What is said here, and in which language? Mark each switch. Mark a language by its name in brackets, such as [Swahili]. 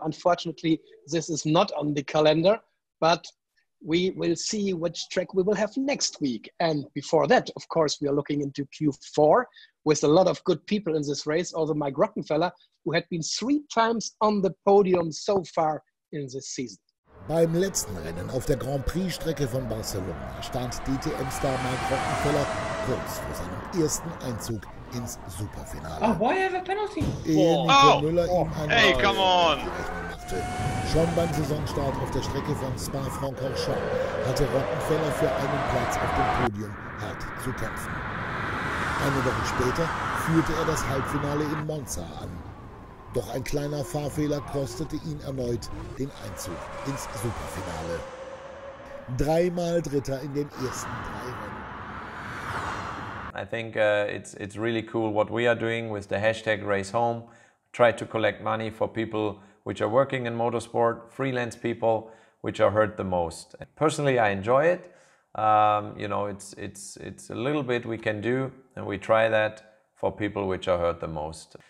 [English] Unfortunately, this is not on the calendar, but we will see which track we will have next week. And before that, of course, we are looking into Q4 with a lot of good people in this race. Also Mike Rockenfeller, who had been 3 times on the podium so far in this season. [German] Beim letzten Rennen auf der Grand Prix-Strecke von Barcelona stand DTM-Star Mike Rockenfeller kurz vor seinem ersten Einzug ins Superfinale. [English] Oh, why have a penalty? [German] Ehe Nico Müller ihm einen [English] Ball come on. [German] Schon beim Saisonstart auf der Strecke von Spa-Francorchamps hatte Rockenfeller für einen Platz auf dem Podium hart zu kämpfen. Eine Woche später führte er das Halbfinale in Monza an. Doch ein kleiner Fahrfehler kostete ihn erneut den Einzug ins Superfinale. Dreimal Dritter in den ersten 3 Rennen. [English] I think it's really cool what we are doing with the hashtag Race Home. Try to collect money for people which are working in motorsport, freelance people which are hurt the most. Personally, I enjoy it. You know, it's a little bit we can do, and we try that for people which are hurt the most.